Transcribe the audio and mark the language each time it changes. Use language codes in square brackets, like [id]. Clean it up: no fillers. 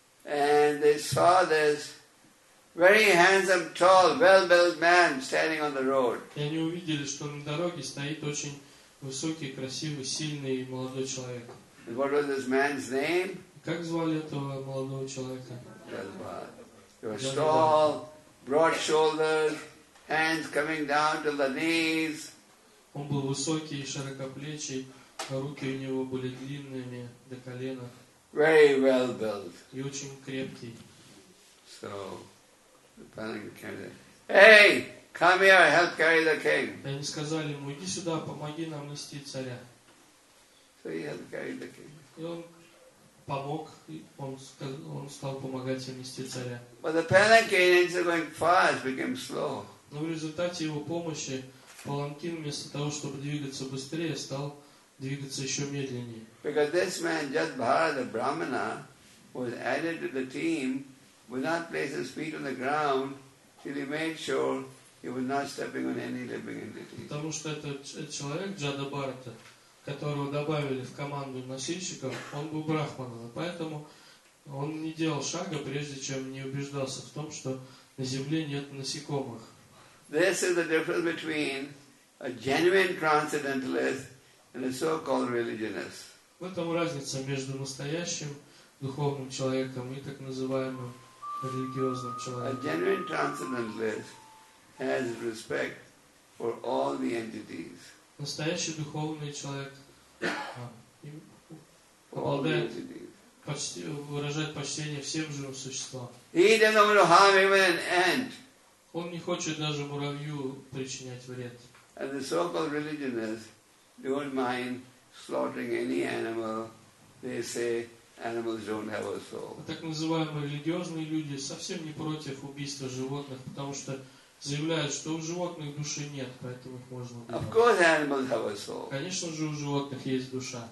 [en] And they saw this very handsome, tall, well-built man standing on the road. [ru] И они увидели, что на дороге стоит очень высокий, красивый, сильный молодой человек. [en] And what was this man's name? [ru] Как звали этого молодого человека? [en] He was tall, broad shoulders, hands coming down to the knees. [ru] Он был высокий, широкоплечий, руки у него были длинными до колена. [en] Very well built. [ru] И очень крепкий. [en] So the palanquin carrier, hey, come here, help carry the king. [ru] Они сказали ему, иди сюда, помоги нам нести царя. [en] So he helped carry the king. [ru] И он помог, он стал помогать им нести царя. [en] But the palanquin, instead of going fast, became slow. [ru] Но в результате его помощи паланкин, вместо того, чтобы двигаться быстрее, стал двигаться еще медленнее. [en] Because this man, Jat Bharat, the brahmana, was added to the team. Without placing his feet on the ground, till he made sure he was not stepping on any living entity. [ru] Потому что этот человек Джада Барата, которого добавили в команду носильщиков, он был брахманом, поэтому он не делал шага, прежде чем не убеждался в том, что на земле нет насекомых. [en] This is the difference between a genuine transcendentalist and a so-called religionist. [ru] В этом разница между настоящим духовным человеком и так называемым религиозным человеком. [en] A genuine transcendentalist has respect for all the entities. [ru] Настоящий духовный человек обладает, почти, выражает почтение всем живым существам. [en] He doesn't want to harm even an ant. [ru] Он не хочет даже муравью причинять вред. [en] And the so-called religionists don't mind slaughtering any animal. They say animals don't have a soul. [ru] Так называемые религиозные люди совсем не против убийства животных, потому что заявляют, что у животных души нет, поэтому их можно убивать. [en] Of course animals have a soul. [ru] Конечно же, у животных есть душа.